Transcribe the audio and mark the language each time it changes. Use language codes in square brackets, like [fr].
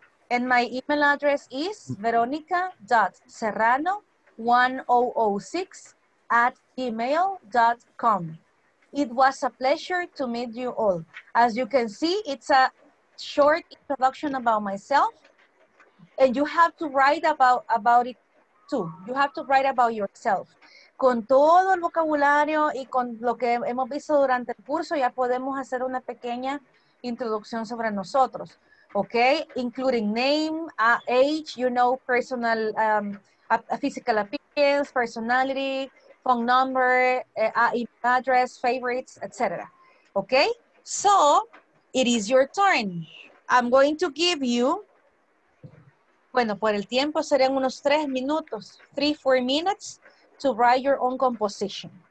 [en] And my email address is veronica.serrano1006@gmail.com. It was a pleasure to meet you all. As you can see, it's a short introduction about myself. And you have to write about it too. You have to write about yourself. [es] Con todo el vocabulario y con lo que hemos visto durante el curso, ya podemos hacer una pequeña introducción sobre nosotros. [en] Okay, including name, age, you know, personal, physical appearance, personality, phone number, email address, favorites, etc. Okay, so it is your turn. I'm going to give you, [es] bueno, por el tiempo serían unos 3 minutos, [en] 3-4 minutes to write your own composition.